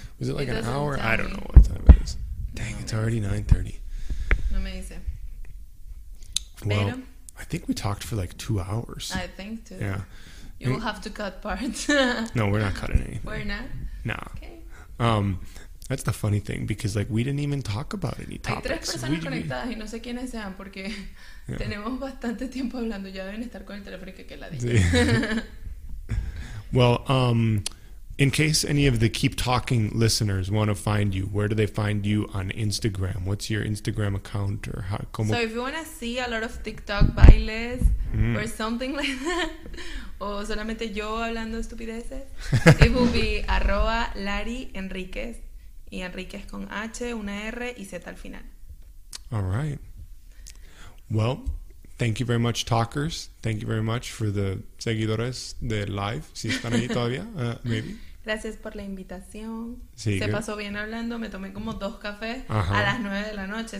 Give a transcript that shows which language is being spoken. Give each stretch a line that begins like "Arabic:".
English: Was it like an hour? I don't know what time it is. Dang, it's already 9:30.
Spanish: No me dice.
English: Well, I think we talked for like 2 hours. I think too. Yeah. You will have to cut parts. No, we're not cutting anything. We're not? No. Okay. That's the funny thing because like we didn't even talk about any topics.
Spanish: Hay tres personas conectadas y no sé quiénes sean porque tenemos bastante tiempo hablando. Ya deben estar con el teléfono que la dije.
English: Well, in case any of the Keep Talking listeners want to find you, where do they find you on Instagram? What's your Instagram account? Or how, como? So if you want to see a lot of TikTok bailes or something like that,
Spanish: o solamente yo hablando estupideces,
English: it will be @LariEnriquez,
Spanish: y Enriquez con H, una R y Z al final.
English: All right. Well... Thank you very much, talkers. Thank you very much for the
Spanish: seguidores de
English: live.
Spanish: Si están ahí todavía,
English: maybe.
Spanish: Gracias por la invitación. Sí, se pasó bien hablando. Me tomé como 2 cafés a las 9 de la noche.